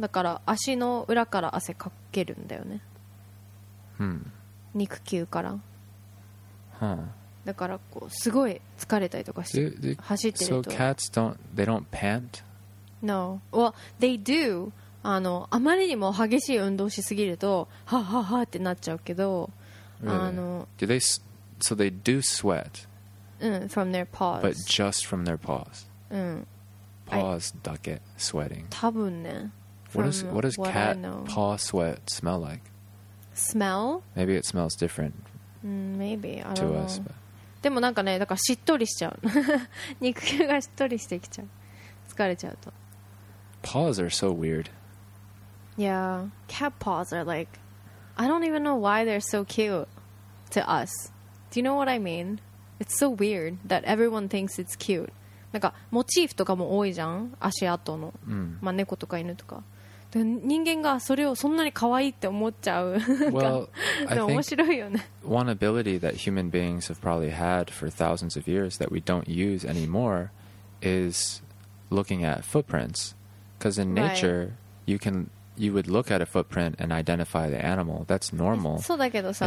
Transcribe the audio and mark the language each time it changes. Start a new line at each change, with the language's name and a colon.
Japanese: だから足の裏から汗かけるんだよね。肉球から。だからこうすごい疲れたりとかして走ってると。
English: So cats don't, they don't pant? No. Well, they do.
Japanese: あの、あまりにも激しい運動しすぎるとハッハッハッってなっちゃうけど、
English: really? あの、do they so they do sweat? From their paws. But just from their paws. Paws
Japanese: だけ sweating. 多分ね。
English: What does cat paw sweat smell like? Smell? Maybe it smells different. Maybe I don't know.
Japanese: でもなんかね、だからしっとりしちゃう。肉球がしっとりしてきちゃう。疲れちゃうと。
English: Paws are so weird. Yeah, cat paws are like, I don't even know why they're so cute to us. Do you know what I mean? It's so weird that everyone thinks it's cute.
Japanese: なんかモチーフとかも多いじゃん、足跡の、まあ猫とか犬とか。で、人間がそれをそんなに可愛いって思っちゃう。
English: Well, I think
Japanese: 面白いよね。
English: One ability that human beings have probably had for thousands of years that we don't use anymore is looking at footprints. Because in nature, right. you would look at a footprint and identify the animal. That's normal.
Japanese: そうだけどさ。